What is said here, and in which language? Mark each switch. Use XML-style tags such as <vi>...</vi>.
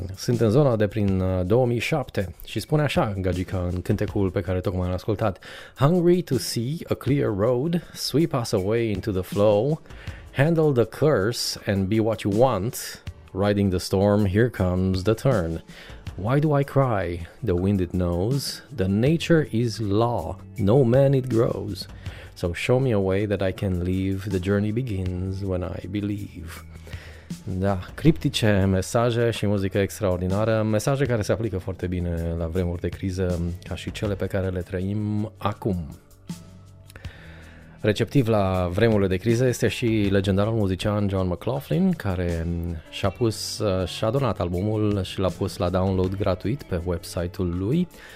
<ro>Sunt în zona de prin 2007 și spune așa, gagica, în cântecul pe care tocmai l-am ascultat.</ro> <en>Hungry to see a clear road, sweep us away into the flow, handle the curse and be what you want, riding the storm, here comes the turn. Why do I cry? The wind it knows. The nature is law. No man it grows. So show me a way that I can leave. The journey begins when I believe.</en> <ro>Da, criptice mesaje și muzică extraordinară. Mesaje care se aplică foarte bine la vremuri de criză, ca și cele pe care le trăim acum. Receptiv la vremurile de criză este și legendarul muzician John McLaughlin, care și-a pus, și-a donat albumul și l-a pus la download gratuit pe website-ul lui.</ro>